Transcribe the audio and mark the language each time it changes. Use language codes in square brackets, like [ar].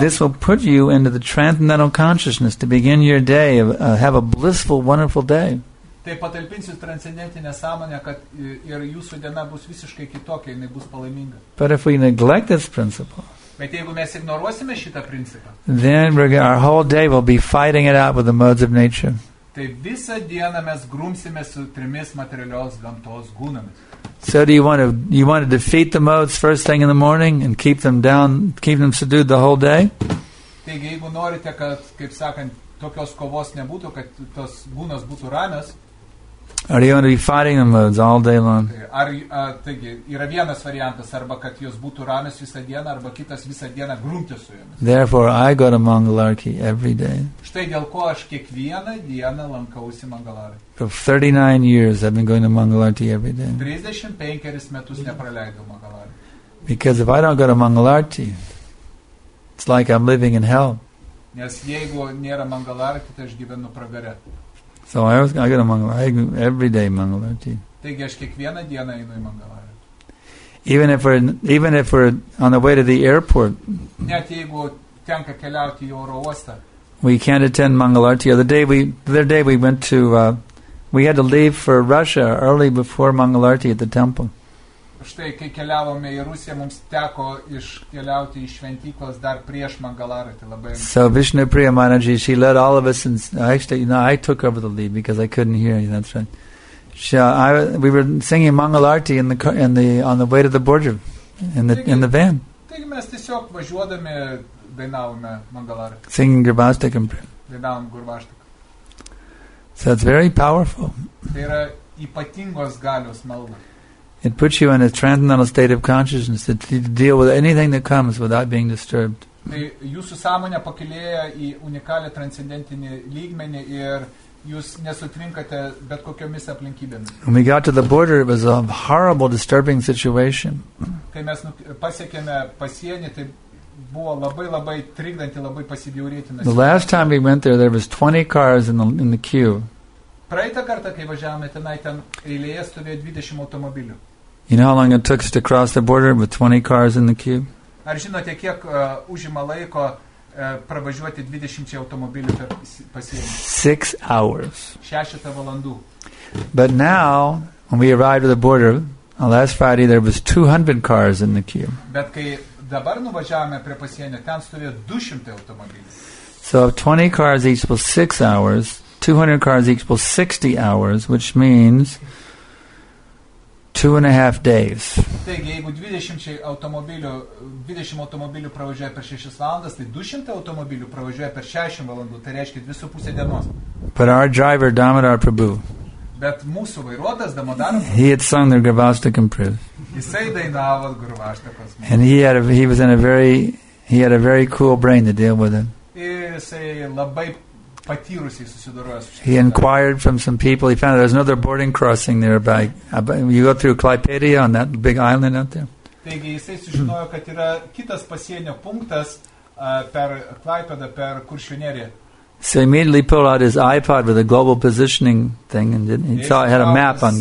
[en] This will put you into the transcendental consciousness to begin your day, have a blissful, wonderful day. [lt] Tai patalpinsiu transcendentinę sąmonę, kad ir jūsų diena bus visiškai kitokia, jinai bus palaiminga. [en] But if we neglect this principle, [lt] bet jeigu mes ignoruosime šitą principą, [en] then our whole day will be fighting it out with the modes of nature. [lt] Tai visą dieną mes grumsime su trimis materialios gamtos gūnomis. [en] So do you want to defeat the modes first thing in the morning and keep them down, keep them subdued the whole day? [lt] Taigi, jeigu norite, kad, kaip sakant, tokios kovos nebūtų, kad tos gūnos būtų ramios. [en] Are you going to be fighting them all day long? [lt] Taigi, yra vienas variantas, arba kad jos būtų ramios visą dieną, arba kitas visą dieną grumti su jomis. [en] Therefore, I go to Mangalarki every day. [lt] Štai dėl ko aš kiekvieną dieną lankausi Mangalarki. [en] For 39 years I've been going to Mangalarki every day. [lt] 35 metus nepraleidau Mangalarki. [en] Because if I don't go to Mangalarki, it's like I'm living in hell. [lt] Nes jeigu nėra Mangalarti, tai aš gyvenu pragare. [en] So I always go to Mangalarti, every day Mangalarti. [lt] Taigi aš kiekvieną dieną einu į Mangalarti. [en] Even if we're on the way to the airport, [lt] net jeigu tenka keliauti į oro uostą, [en] we can't attend Mangalarti. The other day we had to leave for Russia early before Mangalarti at the temple. [lt] Štai, kai keliavome į Rusiją, mums teko iškeliauti iš šventyklos dar prieš Mangalarati. Labai. [en] So Vishnu Priya Manaji, she led all of us, and actually, you know, I took over the lead because I couldn't hear you, that's right. We were singing Mangalarati on the way to the border, in the van. [lt] Taigi mes tiesiog važiuodami dainavome Mangalarati. [en] Singing Gurvastikam Priya. [lt] Dainavom Gurvastikam. [en] So it's very powerful. [lt] Tai yra ypatingos galios malda. [en] It puts you in a transcendental state of consciousness to deal with anything that comes without being disturbed. [lt] Jūsų sąmonė pakilėja į unikalią transcendentinį lygmenį ir jūs nesutrinkate bet kokiomis aplinkybėmis. [en] When we got to the border, it was a horrible, disturbing situation. [lt] Kai mes pasiekėme pasienį, tai buvo labai, labai trikdanti, labai pasibjaurėtina. [en] The last time we went there, there was 20 cars in the queue. [lt] Praeitą kartą, kai važiavome tenai, ten eilėje stovėjo 20 automobilių. [en] You know how long it took us to cross the border with 20 cars in the queue? [lt] Ar žinote, kiek užima laiko pravažiuoti 20 automobilių per pasienį? [en] 6 hours. [lt] 6 valandų. [en] But now, when we arrived at the border, last Friday there was 200 cars in the queue. [lt] Bet kai dabar nuvažiavome prie pasienio, ten stovėjo 200 automobilių. [en] So 20 cars each was 6 hours, 200 cars each was 60 hours, which means 2.5 days. [lt] Taigi, jeigu 20 automobilių pravažiuoja per 6 valandas, tai 200 automobilių pravažiuoja per 60 valandų, tai reiškia 2.5 dienos. [en] But our driver, Damodar Prabhu, [lt] bet mūsų vairuotas, Damodar, [en] he had sung the Gurvastakam Priv. [lt] Jisai dainavo Gurvastakas. [en] And he had a very cool brain to deal with it. [lt] Jisai labai patyrusiai susidorojo su šiandien. [en] He inquired from some people, he found there's another boarding crossing nearby. You go through Klaipėdija on that big island out there. [lt] Taigi jisai sužinojo, kad yra kitas pasienio punktas per Klaipėdą, per Kuršių neriją. [en] So he immediately pulled out his iPod with a global positioning thing and he saw it had a map on